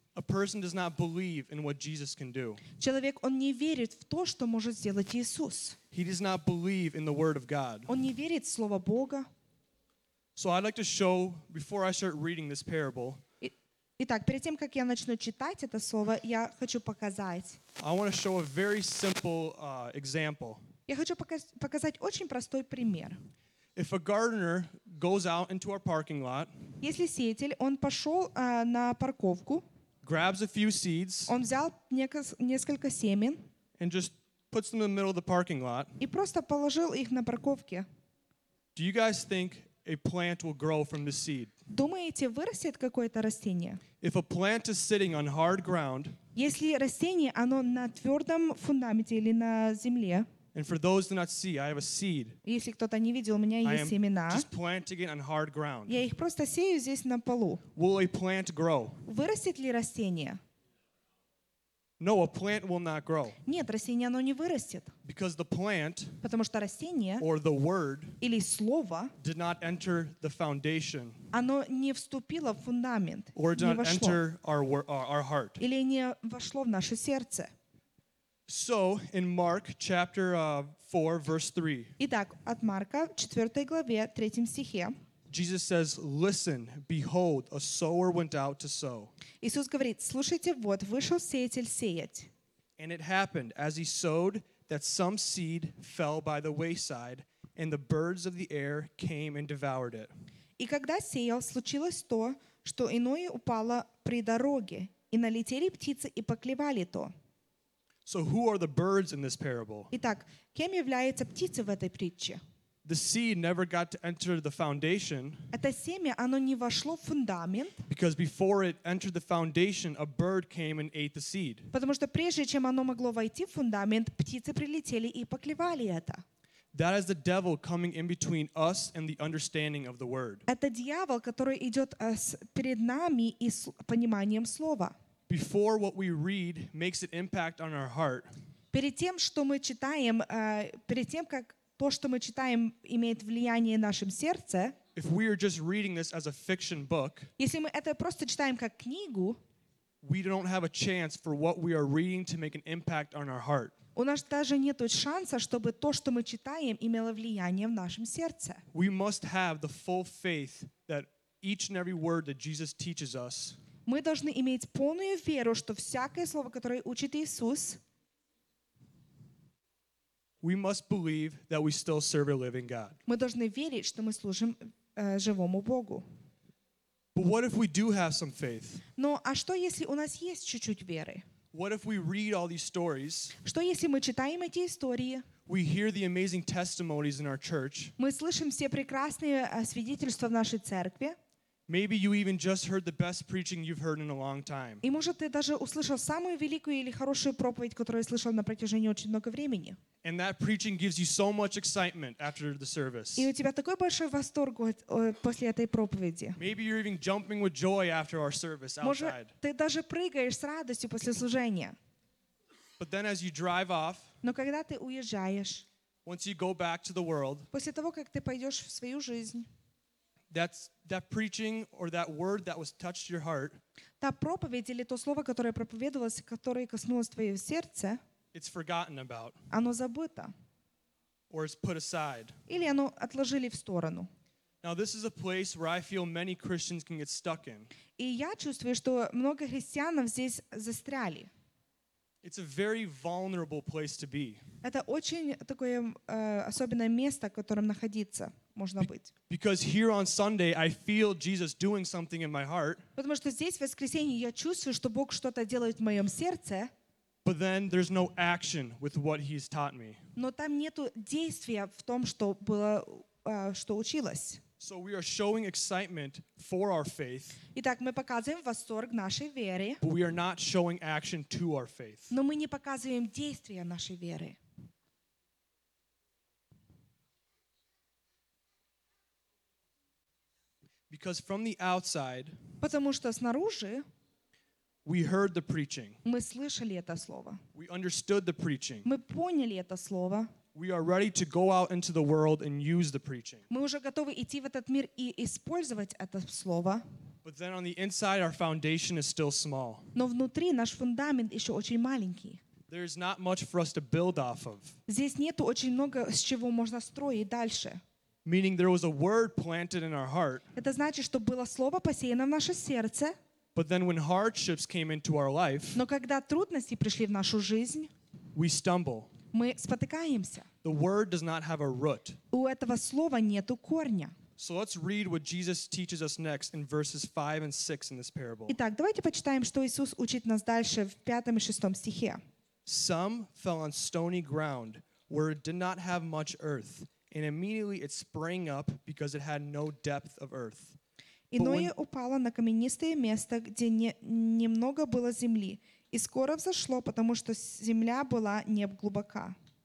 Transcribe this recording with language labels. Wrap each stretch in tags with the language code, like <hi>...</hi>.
<en>A person does not believe in what Jesus can do.</en> <ru>Человек, он не верит в то, что может сделать Иисус.</ru> <en>He does not believe in the word of God.</en> <ru>Он не верит в слово Бога.</ru> <en>So I'd like to show, before I start reading this parable,</en> <ru>итак, перед тем, как я начну читать это слово, я хочу показать.</ru> <en>I want to show a very simple, example.</en> <ru>Я хочу показать очень простой пример.</ru> <en>If a gardener goes out into our parking lot,</en> <ru>если сеятель, он пошел на парковку,</ru> <en>grabs a few seeds,</en> <ru>он взял несколько семен,</ru> <en>and just puts them in the middle of the parking lot,</en> <ru>и просто положил их на парковке,</ru> <en>do you guys think a plant will grow from the seed?</en> <ru>Думаете, вырастет какое-то растение?</ru> <en>If a plant is sitting on hard ground,</en> <ru>если растение, оно на твердом фундаменте или на земле,</ru> <en>and for those who do not see, I have a seed,</en> <ru>если кто-то не видел, у меня есть семена,</ru> <en>I am just planting it on hard ground,</en> <ru>я их просто сею здесь на полу,</ru> <en>will a plant grow?</en> <ru>Вырастет ли растение?</ru> <en>No, a plant will not grow.</en> <ru>Нет, растение, оно не вырастет.</ru> <en>Because the plant,</en> <ru>потому что растение,</ru> <en>or the word,</en> <ru>или слово,</ru> <en>did not enter the foundation,</en> <ru>оно не вступило в фундамент,</ru> <en>or did</en> <ru>не</ru> <en>not</en> <ru>вошло,</ru> <en>enter our heart,</en> <ru>или не вошло в наше сердце.</ru> <en>So, in Mark chapter 4, verse 3,</en> <ru>итак, от Марка, 4 главе, 3 стихе,</ru> <en>Jesus says, "Listen, behold, a sower went out to sow."</en> <ru>Иисус говорит: "Слушайте, вот вышел сеятель сеять."</ru> <en>And it happened as he sowed that some seed fell by the wayside, and the birds of the air came and devoured it.</en> <ru>И когда сеял, случилось то, что иное упало при дороге, и налетели птицы и поклевали то.</ru> <en>So who are the birds in this parable?</en> <ru>Итак, кем являются птицы в этой притче?</ru> <en>The seed never got to enter the foundation.</en> <ru>Это семя, оно не вошло в фундамент.</ru> <en>Because before it entered the foundation, a bird came and ate the seed.</en> <ru>Потому что прежде чем оно могло войти в фундамент, птицы прилетели и поклевали это.</ru> <en>That is the devil coming in between us and the understanding of the word.</en> <ru>Это дьявол, который идет перед нами и с пониманием слова.</ru> <en>Before what we read makes an impact on our heart.</en> <ru>Перед тем, что мы читаем, перед тем как то, что мы читаем, имеет влияние в нашем сердце.</ru> <en>If we are just reading this as a fiction book,</en> <ru>если мы это просто читаем как книгу,</ru> <en>we don't have a chance for what we are reading to make an impact on our heart.</en> <ru>У нас даже нет шанса, чтобы то, что мы читаем, имело влияние в нашем сердце.</ru> <en>We must have the full faith that each and every word that Jesus teaches us,</en> <ru>мы должны иметь полную веру, что всякое слово, которое учит Иисус,</ru> <en>we must believe that we still serve a living God.</en> <ru>Мы должны верить, что мы служим живому Богу.</ru> <en>But what if we do have some faith?</en> <ru>Но а что если у нас есть чуть-чуть веры?</ru> <en>What if we read all these stories?</en> <ru>Что если мы читаем эти истории?</ru> <en>We hear the amazing testimonies in our church.</en> <ru>Мы слышим все прекрасные свидетельства в нашей церкви.</ru> <en>Maybe you even just heard the best preaching you've heard in a long time.</en> <ru>И может ты даже услышал самую великую или хорошую проповедь, которую слышал на протяжении очень много времени.</ru> <en>And that preaching gives you so much excitement after the service.</en> <ru>И у тебя такой большой восторг после этой проповеди.</ru> <en>Maybe you're even jumping with joy after our service outside.</en> <ru>Может ты даже прыгаешь с радостью после служения.</ru> <en>But then as you drive off,</en> <ru>но когда ты уезжаешь,</ru> <en>once you go back to the world,</en> <ru>после того как ты пойдешь в свою жизнь,</ru> <en>that's that preaching or that word that was touched your heart.</en> <ru>Та проповедь или то слово, которое проповедовалось, которое коснулось твоего сердца.</ru> <en>It's forgotten about.</en> <ru>Оно забыто.</ru> <en>Or it's put aside.</en> <ru>Или оно отложили в сторону.</ru> <en>Now this is a place where I feel many Christians can get stuck in.</en> <ru>И я чувствую, что много христиан здесь застряли.</ru> <en>It's a very vulnerable place to be.</en> <ru>Это очень такое особенное место, в котором находиться.</ru> <en>Because here on Sunday I feel Jesus doing something in my heart.</en> <ru>Потому что здесь в воскресенье я чувствую, что Бог что-то делает в моем сердце.</ru> <en>But then there's no action with what He's taught me.</en> <ru>Но там нету действия в том, что было, что училось.</ru> <en>So we are showing excitement for our faith.</en> <ru>Итак, мы показываем восторг нашей веры.</ru> <en>But we are not showing action to our faith.</en> <ru>Но мы не показываем действия нашей веры.</ru> <en>Because from the outside,</en> <ru>потому что снаружи,</ru> <en>we heard the preaching.</en> <ru>Мы слышали это слово.</ru> <en>We understood the preaching.</en> <ru>Мы поняли это слово.</ru> <en>We are ready to go out into the world and use the preaching.</en> <ru>Мы уже готовы идти в этот мир и использовать это слово.</ru> <en>But then on the inside, our foundation is still small.</en> <ru>Но внутри наш фундамент еще очень маленький.</ru> <en>There is not much for us to build off of.</en> <ru>Здесь нету очень много с чего можно строить дальше.</ru> <en>Meaning there was a word planted in our heart.</en> <ru>Это значит, что было слово посеяно в наше сердце.</ru> <en>But then when hardships came into our life,</en> <ru>но когда трудности пришли в нашу жизнь,</ru> <en>we stumble.</en> <ru>Мы спотыкаемся.</ru> <en>The word does not have a root.</en> <ru>У этого слова нету корня.</ru> <en>So let's read what Jesus teaches us next in verses 5 and 6 in this parable.</en> <ru>Итак, давайте почитаем, что Иисус учит нас дальше в 5 и 6 стихе.</ru> <en>Some fell on stony ground where it did not have much earth. And immediately it sprang up because it had no depth of earth.</en> <ru>Иное упало на каменистое место, где немного было земли, и скоро взошло, потому что земля была не глубока.</ru>